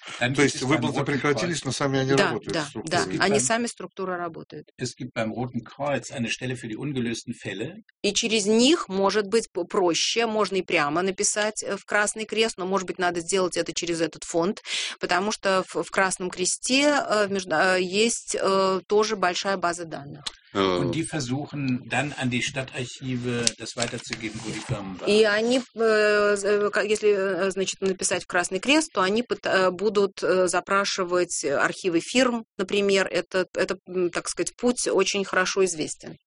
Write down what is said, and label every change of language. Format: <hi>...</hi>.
<ru>То есть выплаты прекратились, но сами они работают. Да, они сами структура работают.</ru> <de>Es gibt beim Roten Kreuz eine Stelle für die ungelösten Fälle.</de> <ru>И через них, может быть, проще, можно и прямо написать в Красный Крест, но, может быть, надо сделать это через этот фонд, потому что в Красном Кресте есть тоже большая база данных.</ru> <de>Und die versuchen dann an die Stadtarchive das weiterzugeben, wo die Firmen waren.</de> <ru>И они, если, значит, написать в Красный Крест, то они будут запрашивать архивы фирм, например, это, так сказать, путь очень хорошо известен.</ru>